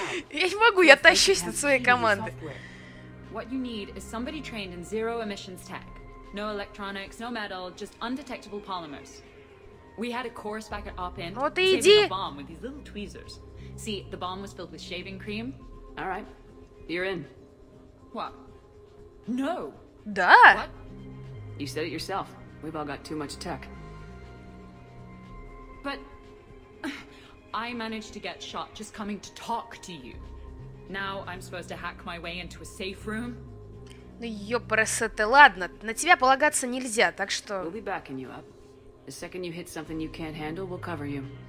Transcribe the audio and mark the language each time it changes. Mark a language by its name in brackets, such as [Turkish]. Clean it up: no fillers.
[Russian] Я не могу, я тащусь над своей командой. [English] What you need is somebody trained in zero emissions tech. No electronics, no metal, just undetectable polymers. We had a course back at Op-Int. [Russian] Вот иди. [English] A bomb with these little tweezers. See, the bomb was filled with shaving cream. All right. You're in. What? No. [Russian] Да. [English] What? You said it yourself. We've all got too much tech. But I managed to get shot just coming to talk to you. Now I'm supposed to hack my way into a safe room. [Russian] Ну ёпарасоте, ладно, на тебя полагаться нельзя, так что. [English] We'll be backing you up. The second you hit something you can't handle, we'll cover you.